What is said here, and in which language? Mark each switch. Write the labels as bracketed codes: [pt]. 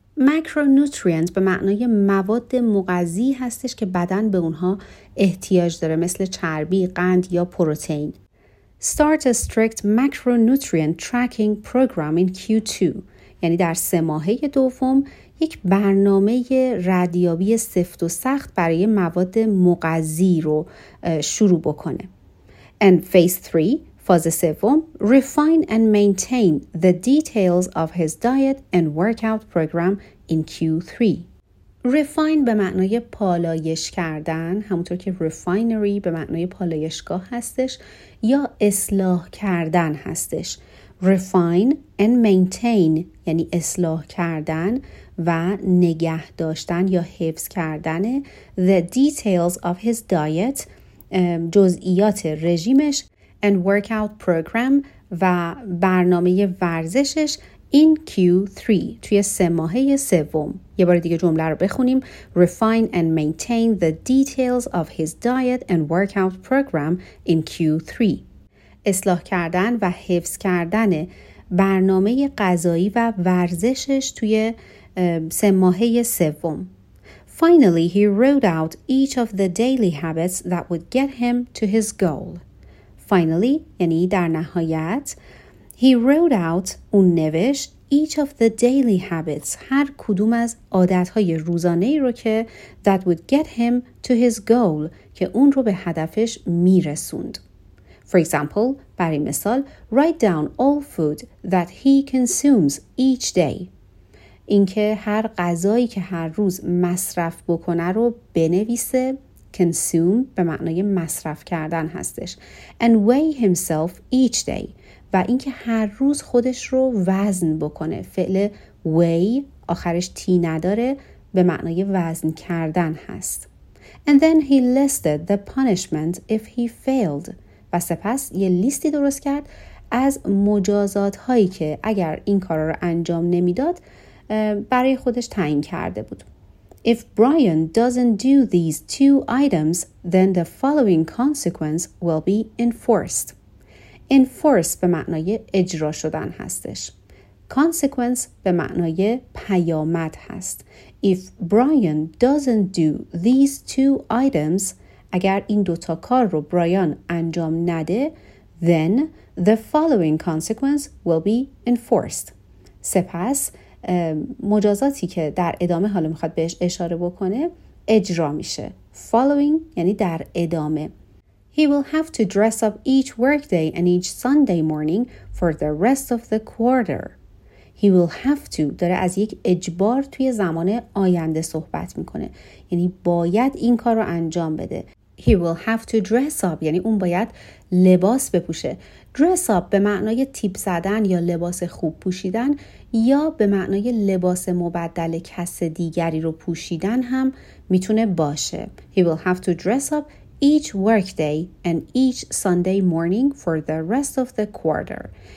[fa] Macronutrients به معنای مواد مغذی هستش که بدن به اونها احتیاج داره، مثل چربی، قند یا پروتئین. [en] Start a strict macronutrient tracking program in Q2. [fa] یعنی در 3 ماهه دوم یک برنامه ردیابی سفت و سخت برای مواد مغذی رو شروع بکنه. [en] And phase 3, [fa] فاز 3, [en] refine and maintain the details of his diet and workout program in Q3. [fa] Refine به معنای پالایش کردن، همونطور که refinery به معنای پالایشگاه هستش یا اصلاح کردن هستش. [en] Refine and maintain [fa] یعنی اصلاح کردن و نگه داشتن یا حفظ کردن [en] the details of his diet، [fa] جزئیات رژیمش، [en] and workout program [fa] و برنامه ورزشش [en] in Q3 [fa] توی 3 ماهه سوم. یه بار دیگه جمله رو بخونیم. [en] Refine and maintain the details of his diet and workout program in Q3. [fa] اصلاح کردن و حفظ کردن برنامه غذایی و ورزشش توی 3 ماهه سوم. [en] Finally, he wrote out each of the daily habits that would get him to his goal. Finally, [fa] یعنی در نهایت، [en] he wrote out، [fa] اون نوشت، [en] each of the daily habits، [fa] هر کدوم از عادتهای روزانهی رو که [en] that would get him to his goal، [fa] که اون رو به هدفش میرسوند. [en] For example، [fa] برای مثال، [en] write down all food that he consumes each day. [fa] اینکه هر غذایی که هر روز مصرف بکنه رو بنویسه، consume به معنای مصرف کردن هستش، [en] and weigh himself each day، [fa] و اینکه هر روز خودش رو وزن بکنه. فعل weigh آخرش تی نداره، به معنای وزن کردن هست. [en] And then he listed the punishment if he failed. [fa] و سپس یه لیستی درست کرد از مجازات هایی که اگر این کار رو انجام نمیداد برای خودش تعیین کرده بود. [en] If Brian doesn't do these 2 items, then the following consequence will be enforced. [fa] Enforce به معنای اجرا شدن هستش. Consequence به معنای پیامد هست. [en] If Brian doesn't do these 2 items, [fa] اگر این دوتا کار رو برایان انجام نده، [en] then the following consequence will be enforced. [fa] سپس، مجازاتی که در ادامه حالا میخواد بهش اشاره بکنه اجرا میشه. Following یعنی در ادامه. [en] He will have to dress up each workday and each Sunday morning for the rest of the quarter. He will have to [fa] داره از یک اجبار توی زمان آینده صحبت میکنه، یعنی باید این کار رو انجام بده. [en] He will have to dress up [fa] یعنی اون باید لباس بپوشه. Dress up به معنای تیپ زدن یا لباس خوب پوشیدن، یا به معنای لباس مبدل کس دیگری رو پوشیدن هم میتونه باشه. [en] He will have to dress up each workday and each Sunday morning for the rest of the quarter.